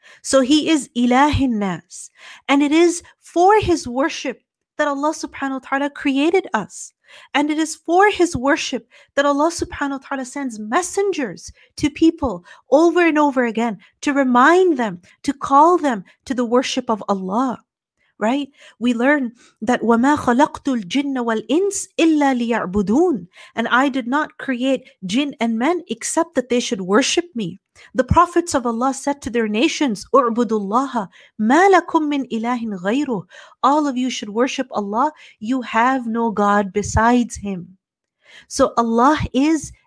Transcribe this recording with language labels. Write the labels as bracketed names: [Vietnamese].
[English] So He is Ilahin Nas. And it is for His worship that Allah subhanahu wa ta'ala created us. And it is for His worship that Allah subhanahu wa ta'ala sends messengers to people over and over again to remind them, to call them to the worship of Allah. Right? We learn that [Arabic] وَمَا خَلَقْتُ الْجِنَّ وَالْإِنْسِ إِلَّا لِيَعْبُدُونَ. [English] And I did not create jinn and men except that they should worship me. The prophets of Allah said to their nations, [Arabic] اُعْبُدُ اللَّهَ مَا لَكُم مِّنْ إِلَهٍ غَيْرُهُ. [English] All of you should worship Allah. You have no God besides Him. So Allah is